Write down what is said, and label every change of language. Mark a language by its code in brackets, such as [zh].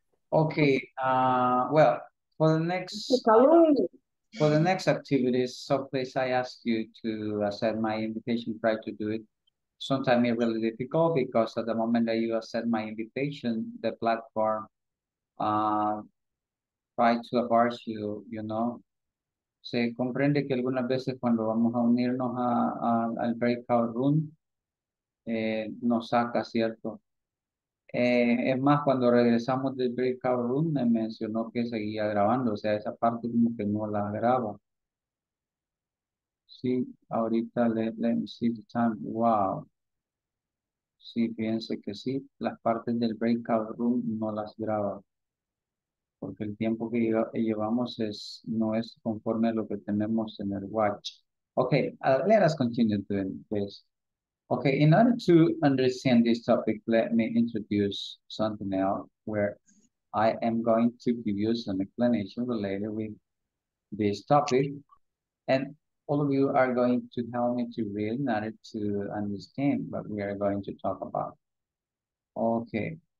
[en] Ok, well, for the next activities, so please I ask you to accept my invitation, try to do it. Sometimes it's really difficult because at the moment that you accept my invitation, the platform try to abort you, you know. [es] Se comprende que algunas veces cuando vamos a unirnos al breakout room, nos saca, ¿cierto? Es más, cuando regresamos del breakout room, me mencionó que seguía grabando, o sea, esa parte como que no la graba. Sí, ahorita [en] let me see the time. [es] Wow. Sí, fíjense que sí, las partes del breakout room no las graba. Porque el tiempo que llevamos no es conforme a lo que tenemos en el watch. [en] Okay, let us continue doing this. Okay, in order to understand this topic, let me introduce something else where I am going to give you some explanation related with this topic. And all of you are going to help me to read in order to understand what we are going to talk about. Okay.